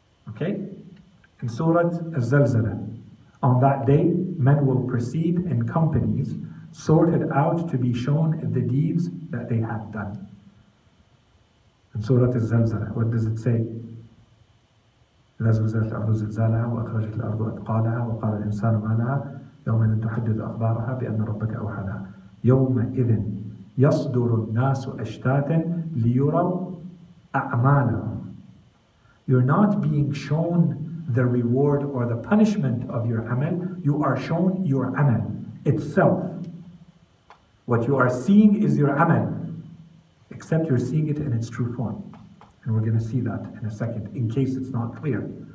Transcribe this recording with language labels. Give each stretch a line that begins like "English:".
English: Okay? In Surah Al-Zalzala, on that day, men will proceed in companies, sorted out to be shown the deeds that they had done. In Surah Al-Zalzala, what does it say?
Arabic: زلزلت الأرض زلزالها وأخرجت الأرض أثقالها وقال الإنسان ما لها يومئذ تحدث أخبارها بأن ربك أوحى لها يومئذ يصدر الناس أشتاتا ليروا أعمالهم.
English: You're not being shown the reward or the punishment of your amal. You are shown your amal itself. What you are seeing is your amal, except you're seeing it in its true form. And we're going to see that in a second, in case it's not clear.